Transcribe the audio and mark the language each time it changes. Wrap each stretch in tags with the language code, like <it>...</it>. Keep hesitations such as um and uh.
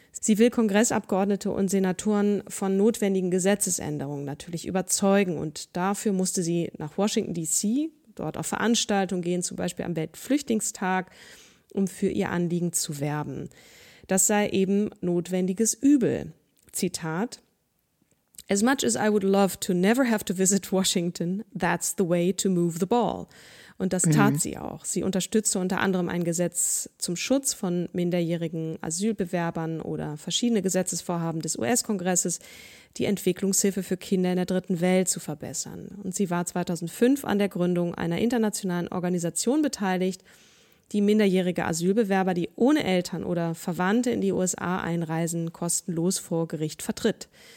<de>Sie will Kongressabgeordnete und Senatoren von notwendigen Gesetzesänderungen natürlich überzeugen. Und dafür musste sie nach Washington, D.C., dort auf Veranstaltungen gehen, zum Beispiel am Weltflüchtlingstag, um für ihr Anliegen zu werben. Das sei eben notwendiges Übel. Zitat.</de> <en>As much as I would love to never have to visit Washington, that's the way to move the ball.</en> <de>Und das tat mhm. sie auch. Sie unterstützte unter anderem ein Gesetz zum Schutz von minderjährigen Asylbewerbern oder verschiedene Gesetzesvorhaben des US-Kongresses, die Entwicklungshilfe für Kinder in der dritten Welt zu verbessern. Und sie war 2005 an der Gründung einer internationalen Organisation beteiligt, die minderjährige Asylbewerber, die ohne Eltern oder Verwandte in die USA einreisen, kostenlos vor Gericht vertritt.</de>